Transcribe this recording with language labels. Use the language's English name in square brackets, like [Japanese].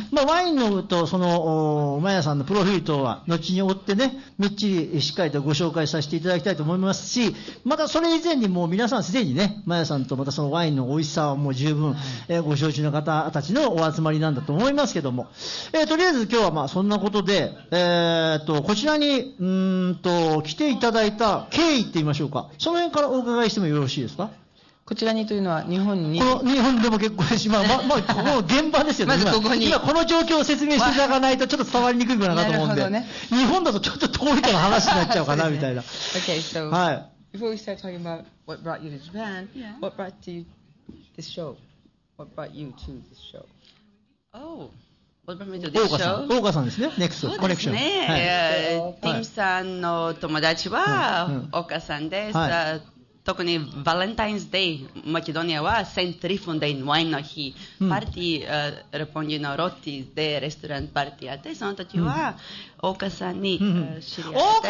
[Japanese] はい、まあ、ワインのとそのマヤさんのプロフィール等は後に追ってね、みっちりしっかりとご紹介させていただきたいと思いますし、またそれ以前にもう皆さんすでにね、マヤさんとまたそのワインの美味しさはもう十分、ご承知の方たちのお集まりなんだと思いますけども、とりあえず今日はまあそんなことで、こちらに来ていただいた経緯って言いましょうか、その辺からお伺いしてもよろしいですか。こちらにというのは日本に、この日本でも結構です、この現場ですよね、まずここに今この状況を説明していただかないとちょっと伝わりにくいかなと思うんで、ね、日本だとちょっと遠いから話になっちゃうかなみたいな。 [English] Okay, so before we start talking about what brought you to Japan, what brought you this show? What brought you to this show? Oh. [Japanese] 大岡さんですね、ネクストコネクション、ティムさんの友達は大岡さんです、はい、特にバレンタインズデイ、マケドニアはセントトリフォンデイ、ワインの日、うん、パーティー、ロポンギのロッティでレストランパーティーやって、その時は大岡さんに、知り合って、